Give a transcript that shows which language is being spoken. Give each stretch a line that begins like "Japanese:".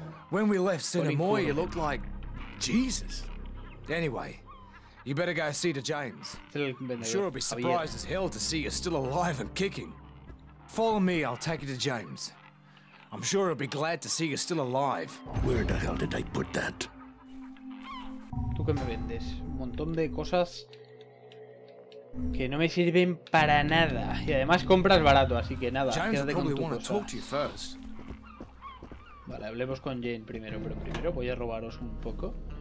English: When we left Sinamoy, you looked like Jesus. Anyway, you better go see the James. I'm sure he'll be surprised as hell to see you still alive and kicking. Follow me, I'll take you to James. I'm sure he'll be glad to see you still alive. Where the hell did I put that?
Spanish: ¿Tú qué me vendes? Un montón de cosas que no me sirven para nada. Y además compras barato, así que nada.
English: James probably want to talk to you first.
Spanish: Vale, hablemos con Jane primero, pero primero voy a robaros un poco.